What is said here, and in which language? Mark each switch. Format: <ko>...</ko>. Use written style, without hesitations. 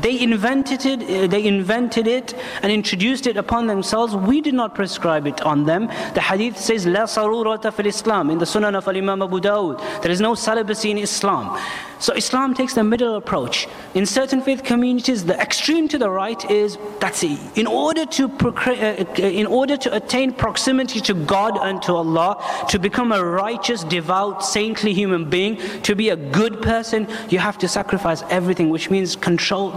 <en>They invented it and introduced it upon themselves. We did not prescribe it on them. The hadith says,</en> <ar>لَا صَرُورَةَ فِي الْإِسْلَامِ.</ar> <en>In the Sunan of Imam Abu Dawud, there is no celibacy in Islam. So Islam takes the middle approach. In certain faith communities, the extreme to the right is, that's it. In order to attain proximity to God and to Allah, to become a righteous, devout, saintly human being, to be a good person, you have to sacrifice everything, which means control.</en>